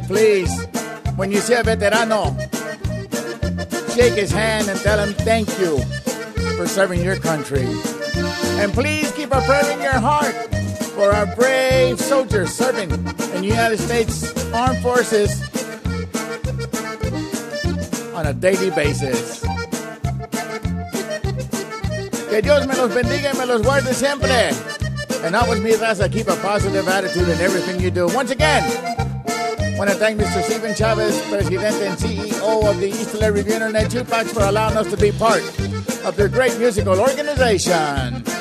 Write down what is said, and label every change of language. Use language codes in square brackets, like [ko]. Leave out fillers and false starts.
[en] Please, when you see a veterano, shake his hand and tell him thank you for serving your country. And please keep a prayer in your heart for our brave soldiers serving in the United States Armed Forces on a daily basis. [es] Que Dios me los bendiga y me los guarde siempre. [en] And always, [es] mi raza, [en] keep a positive attitude in everything you do. Once again, I want to thank Mr. Stephen Chavez, President and CEO of the East LA Review Internet, Tupac, for allowing us to be part of their great musical organization.